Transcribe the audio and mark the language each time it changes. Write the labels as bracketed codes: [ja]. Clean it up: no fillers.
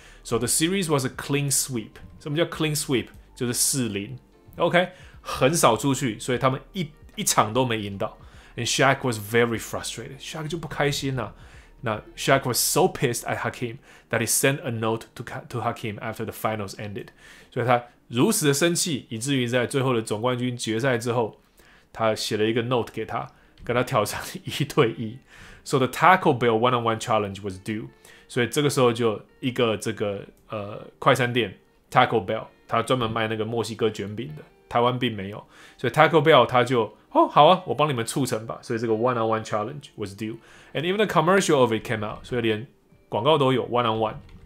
[en] So the series was a clean sweep. [zh] 什么叫 clean sweep? 就是4-0 OK, 很少出去，所以他们一场都没赢到。 [en] And Shaq was very frustrated. Shaq [zh] 就不开心了。 [en] 那 Shaq was so pissed at Hakeem that he sent a note to Hakeem after the finals ended. [zh] 所以他如此的生气，以至于在最后的总冠军决赛之后，他写了一个 note 给他，跟他挑战一对一。 [en] So the tackle bell one-on-one challenge was due. [zh] 所以这个时候就一个这个快餐店 tackle bell， 他专门卖那个墨西哥卷饼的，台湾并没有，所以 tackle bell 他就哦好啊，我帮你们促成吧。所以这个 [en] one-on-one challenge was due， and even the commercial of it came out， [zh] 所以连广告都有 [en] one-on-one。